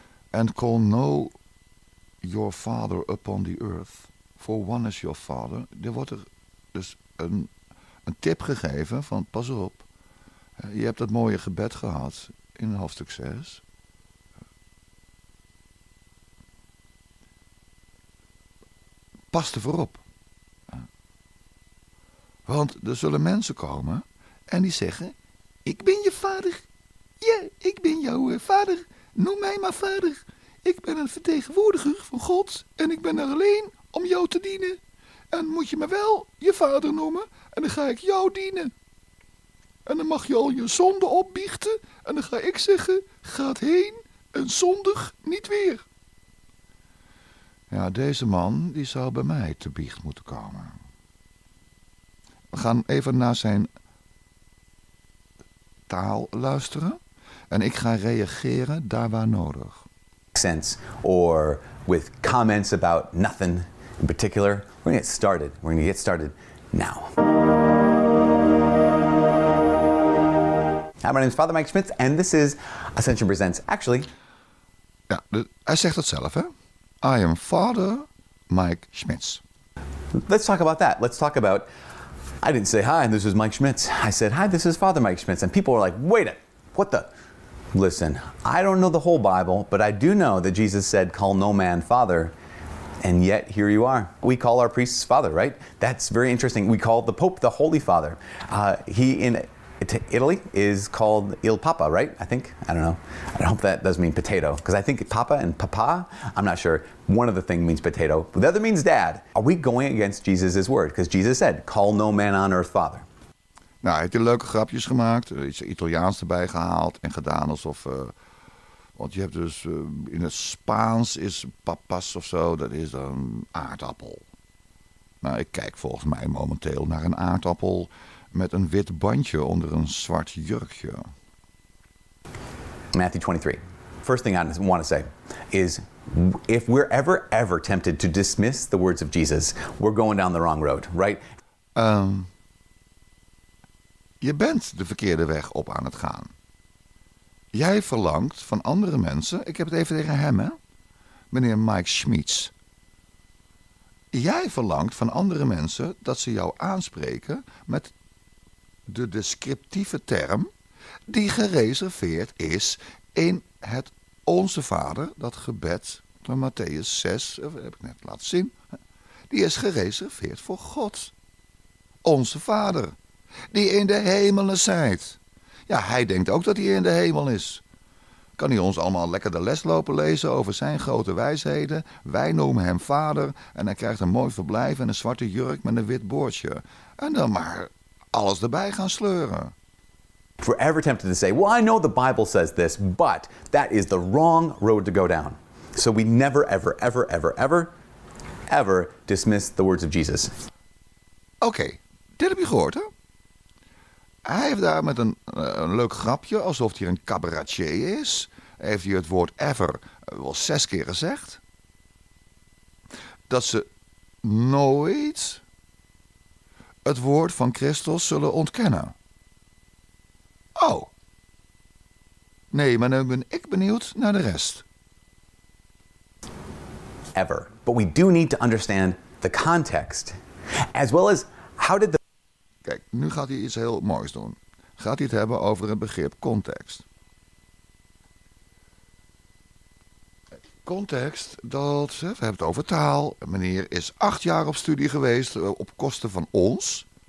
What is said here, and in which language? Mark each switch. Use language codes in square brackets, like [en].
[en] And call no your father upon the earth, for one is your father. [nl] Er wordt er dus een tip gegeven van pas op, je hebt dat mooie gebed gehad in hoofdstuk 6. Pas ervoor op. Want er zullen mensen komen en die zeggen, ik ben je vader. Ja, ik ben jouw vader. Noem mij maar vader. Ik ben een vertegenwoordiger van God en ik ben er alleen om jou te dienen. En moet je me wel je vader noemen en dan ga ik jou dienen. En dan mag je al je zonde opbiechten en dan ga ik zeggen, ga heen en zondig niet weer. Ja, deze man die zou bij mij te biecht moeten komen. We gaan even naar zijn taal luisteren en ik ga reageren daar waar nodig. [en] Sense or with comments about nothing in particular. We're gonna get started. We're gonna get started now. Hi, my name is Father Mike Schmitz and this is Ascension Presents. Actually, [nl] ja, hij zegt het zelf, hè? [en] I am Father Mike Schmitz. Let's talk about that. Let's talk about, I didn't say hi, this is Mike Schmitz. I said, hi, this is Father Mike Schmitz. And people were like, wait a, what the? Listen, I don't know the whole Bible, but I do know that Jesus said, call no man father. And yet here you are. We call our priests father, right? That's very interesting. We call the Pope the Holy Father. He in Italy is called Il Papa, right? I think. I don't know. I hope that doesn't mean potato, because I think Papa and Papa, I'm not sure. One of the thing means potato, but the other means dad. Are we going against Jesus' word? Because Jesus said, call no man on earth father. [nl] Nou, hij heeft hier leuke grapjes gemaakt, iets Italiaans erbij gehaald en gedaan alsof. Want je hebt dus in het Spaans is papas of zo, dat is een aardappel. Nou, ik kijk volgens mij momenteel naar een aardappel met een wit bandje onder een zwart jurkje. [en] Matthew 23. First thing I want to say is, if we're ever, ever tempted to dismiss the words of Jesus, we're going down the wrong road, right? [nl] Je bent de verkeerde weg op aan het gaan. Jij verlangt van andere mensen, ik heb het even tegen hem, hè, meneer Mike Schmitz. Jij verlangt van andere mensen dat ze jou aanspreken met de descriptieve term die gereserveerd is in het Onze Vader, dat gebed van Matthäus 6, heb ik net laten zien, die is gereserveerd voor God. Onze Vader, die in de hemelen zijt. Ja, hij denkt ook dat hij in de hemel is. Kan hij ons allemaal lekker de les lopen lezen over zijn grote wijsheden? Wij noemen hem vader en hij krijgt een mooi verblijf en een zwarte jurk met een wit boordje. En dan maar alles erbij gaan sleuren. [en] Forever tempted to say, well, I know the Bible says this, but that is the wrong road to go down. So we never, ever, ever, ever, ever, ever dismiss the words of Jesus. [nl] Okay, dit heb je gehoord, hè? Hij heeft daar met een leuk grapje, alsof hij een cabaretier is, heeft hij het woord ever wel 6 keer gezegd. Dat ze nooit het woord van Christus zullen ontkennen. Oh. Nee, maar nu ben ik benieuwd naar de rest. [en] Ever. But we do need to understand the context. As well as how did the... [nl] Kijk, nu gaat hij iets heel moois doen. Gaat hij het hebben over het begrip context. Context, dat... We hebben het over taal. Meneer is 8 jaar op studie geweest op kosten van ons.